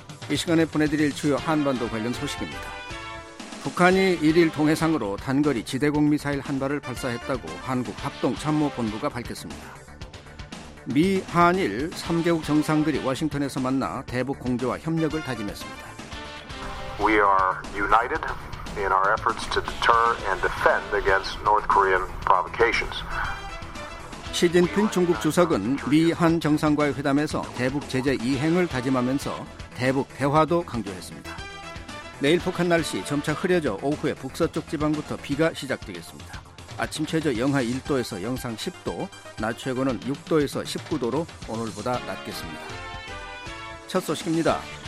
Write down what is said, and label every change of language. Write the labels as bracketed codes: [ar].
[ko] 이 시간에 보내드릴 주요 한반도 관련 소식입니다. 북한이 1일 동해상으로 단거리 지대공 미사일 한 발을 발사했다고 한국 합동 참모본부가 밝혔습니다. 미, 한일 3개국 정상들이 워싱턴에서 만나 대북 공조와 협력을 다짐했습니다. [en] We are united in our efforts to deter and defend against North Korean provocations. [ko] 시진핑 중국 주석은 미, 한 정상과의 회담에서 대북 제재 이행을 다짐하면서 대북 대화도 강조했습니다. 내일 북한 날씨 점차 흐려져 오후에 북서쪽 지방부터 비가 시작되겠습니다. 아침 최저 영하 1도에서 영상 10도, 낮 최고는 6도에서 19도로 오늘보다 낮겠습니다. 첫 소식입니다.